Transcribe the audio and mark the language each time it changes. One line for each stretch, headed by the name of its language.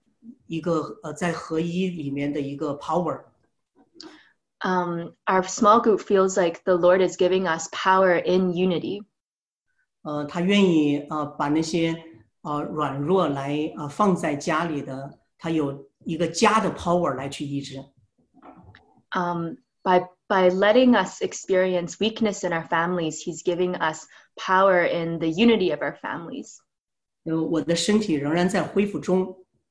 Chinese: 对，然后因为小家就感受现在神给小家一个在合一里面的一个 power.
English: Our small group feels like the Lord is giving us power in unity.
Chinese: 他愿意把那些软弱来放在家里的。他有一个家的 power 来去医治。
English: By letting us experience weakness in our families, he's giving us power in the unity of our families.
Chinese: 我的身体仍然在恢复中。